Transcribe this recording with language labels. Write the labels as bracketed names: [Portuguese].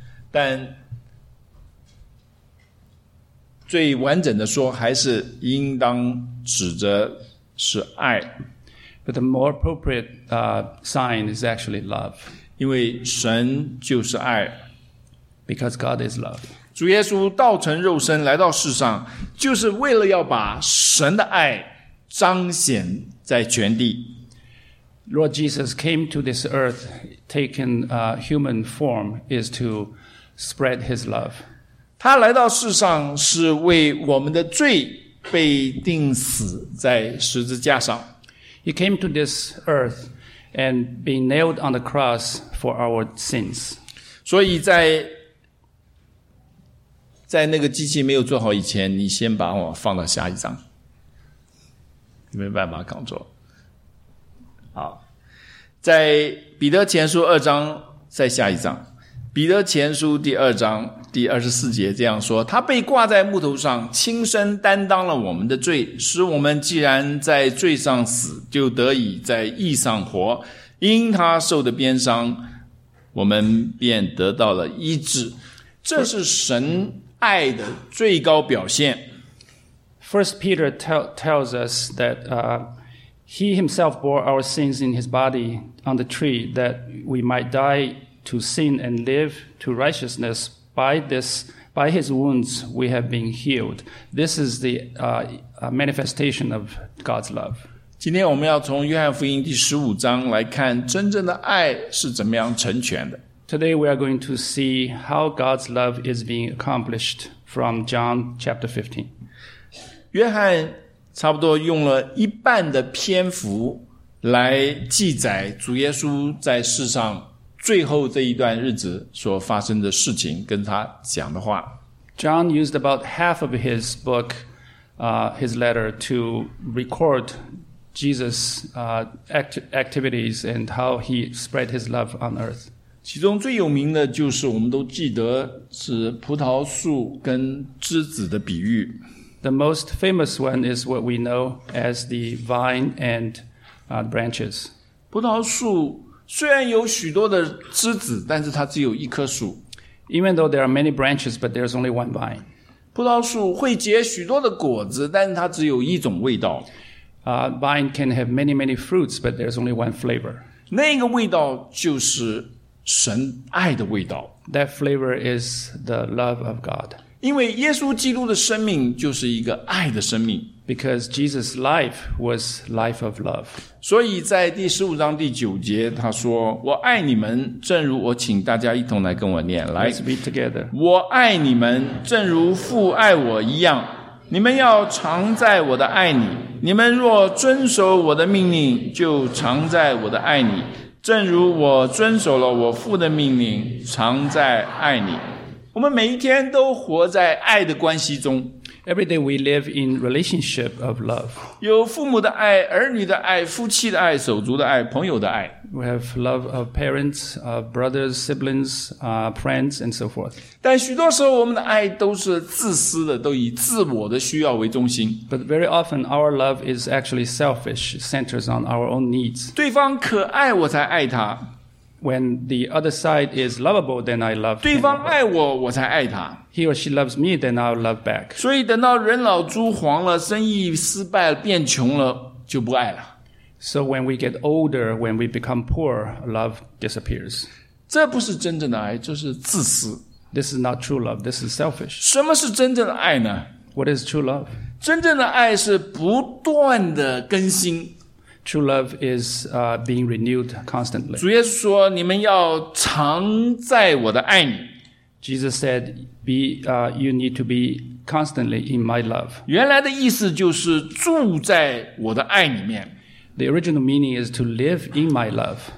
[Chinese] 但最完整的说，还是应当指着是爱。 [English] But the more appropriate sign is actually love. [Chinese] 因为神就是爱。 [English] Because God is love. [Chinese] 主耶稣道成肉身来到世上，就是为了要把神的爱彰显在全地。 [English] Lord Jesus came to this earth, taking human form, is to spread his love. [Chinese] 他来到世上是为我们的罪被钉死在十字架上。 [English] He came to this earth and being nailed on the cross for our sins. [Chinese] 所以在那个机器没有做好以前，你先把我放到下一张。你没办法扛住。好。在彼得前书二章再下一张。彼得前书第二章第二十四节这样说，他被挂在木头上，亲身担当了我们的罪，使我们既然在罪上死，就得以在义上活。因他受的鞭伤，我们便得到了医治。这是神爱的最高表现。 [English] First Peter tells us that he himself bore our sins in his body on the tree that we might dieto sin and live to righteousness. By his wounds we have been healed. This is the manifestation of God's love. [Chinese] 今天我们要从约翰福音第十五章来看真正的爱是怎么样成全的。 [English] Today we are going to see how God's love is being accomplished from John chapter 15. [Chinese] 约翰差不多用了一半的篇幅来记载主耶稣在世上最后这一段日子所发生的事情跟他讲的话。 [English] John used about half of his book, his letter to record Jesus' activities and how he spread his love on earth. [Chinese] 其中最有名的就是我们都记得是葡萄树跟枝子的比喻。 [English] The most famous one is what we know as the vine and branches. [Chinese] 葡萄树虽然有许多的枝子，但是它只有一棵树。 [English] Even though there are many branches, but there's only one vine. [Chinese] 葡萄树会结许多的果子，但是它只有一种味道。 [English] Vine can have many, many fruits, but there's only one flavor. [Chinese] 那个味道就是神爱的味道。 [English] That flavor is the love of God. [Chinese] 因为耶稣基督的生命就是一个爱的生命。 [English] Because Jesus' life was life of love. [Chinese] 所以在第十五章第九节，他说：“我爱你们，正如我请大家一同来跟我念。来 [English] ，Let's be together. [Chinese] 我爱你们，正如父爱我一样。你们要常在我的爱里。你们若遵守我的命令，就常在我的爱里，正如我遵守了我父的命令，常在爱里。我们每一天都活在爱的关系中。” [English] Every day we live in relationship of love. [Chinese] 有父母的爱、儿女的爱、夫妻的爱、手足的爱、朋友的爱。 [English] We have love of parents, brothers, siblings, friends, and so forth. [Chinese] 但许多时候我们的爱都是自私的，都以自我的需要为中心。 [English] But very often our love is actually selfish, centers on our own needs. [Chinese] 对方可爱我才爱他。 [English] When the other side is lovable, then I love him. [Chinese] 对方爱我，我才爱他。 [English] He or she loves me, then I'll love back. [Chinese] 所以等到人老珠黄了，生意失败了，变穷了，就不爱了。 [English] So when we get older, when we become poor, love disappears. [Chinese] 这不是真正的爱，这是自私。 [English] This is not true love, this is selfish. [Chinese] 什么是真正的爱呢？ [English] What is true love? [Chinese] 真正的爱是不断的更新。 [English] True love is being renewed constantly. [Chinese] 主耶稣说你们要常在我的爱里。 [English] Jesus said, you need to be constantly in my love. [Chinese] 原来的意思就是住在我的爱里面。 [English] The original meaning is to live in my love.